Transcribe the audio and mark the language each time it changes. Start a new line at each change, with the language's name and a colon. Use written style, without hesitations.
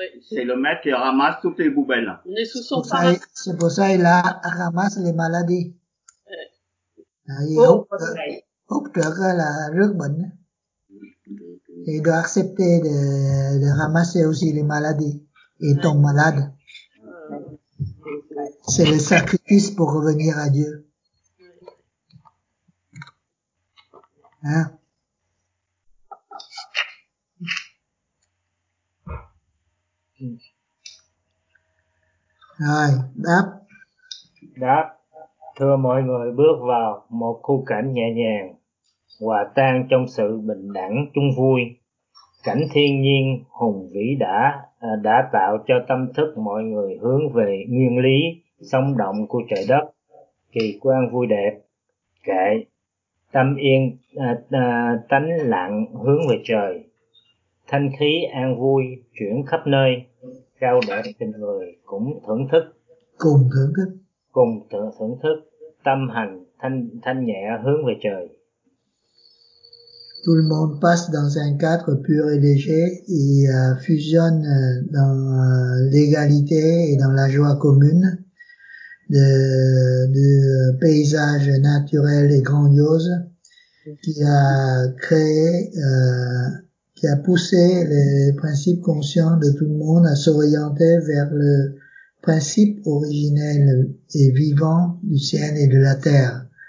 French: C'est le maître qui ramasse toutes les poubelles. C'est pour ça qu'il ramasse les maladies.
Vietnamese: Thầy hút trước là rước bệnh.
French: Il doit accepter de ramasser aussi les maladies. Il tombe malade. C'est le sacrifice pour revenir à Dieu. Hein?
Vietnamese: Rồi, đáp. Đáp. Thưa mọi người, bước vào một khu cảnh nhẹ nhàng, hòa tan trong sự bình đẳng chung vui. Cảnh thiên nhiên hùng vĩ đã tạo cho tâm thức mọi người hướng về nguyên lý sống động của trời đất, kỳ quan vui đẹp, kệ tâm yên, tánh lặng hướng về trời, thanh khí an vui chuyển khắp nơi, cao đẹp tình người cũng thưởng thức. Cùng thưởng thức. Cùng thưởng thức, tâm hành thanh nhẹ hướng về trời.
French: Tout le monde passe dans un cadre pur et léger et fusionne dans l'égalité et dans la joie commune de paysage naturel et grandiose qui a créé, qui a poussé les principes conscients de tout le monde à s'orienter vers le principe originel et vivant du ciel et de la terre.